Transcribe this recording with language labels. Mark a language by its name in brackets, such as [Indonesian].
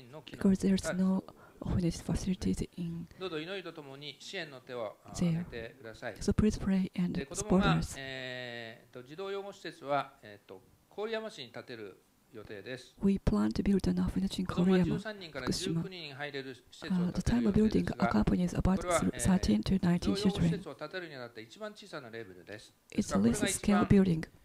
[English] Because there is no orphanage facilities in there. So please pray and support us. [Japanese] 児童養護施設は郡山市に建てる [English] We plan to build an orphanage in Koriyama, Fukushima. The time of building accompanies about 13 to 19 children. It's the least scale building.